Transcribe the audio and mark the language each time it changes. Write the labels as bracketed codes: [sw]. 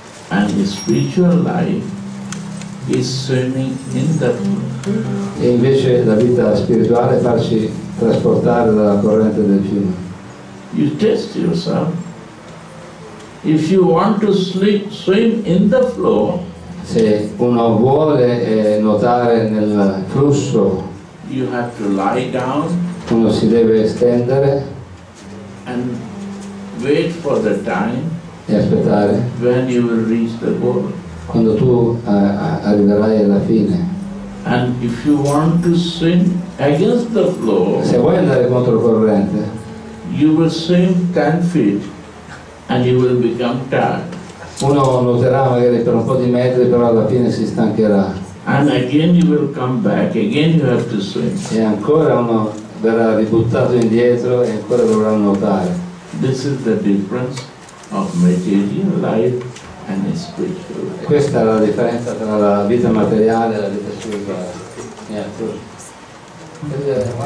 [en] And the spiritual life is swimming in the flow. [it] E invece la vita spirituale farsi trasportare dalla corrente del fiume. [en] You test yourself. If you want to sleep, swim in the flow. [it] Se uno vuole nuotare nel flusso, [en] you have to lie down. [it] Uno si deve stendere [en] and wait for the time. [it] E aspettare. [en] When you will reach the goal. [it] Quando tu arriverai alla fine. [en] And if you want to swim against the flow, [it] se vuoi andare contro corrente, [en] you will swim 10 feet and you will become tired. [it] Uno nuoterà magari per un po' di metri, però alla fine si stancherà. [en] And again you will come back, again you have to swim. [it] E ancora uno verrà ributtato indietro e ancora dovrà nuotare. [en] This is the difference of material life and spiritual life. [it] Questa è la differenza tra la vita materiale e la vita spirituale.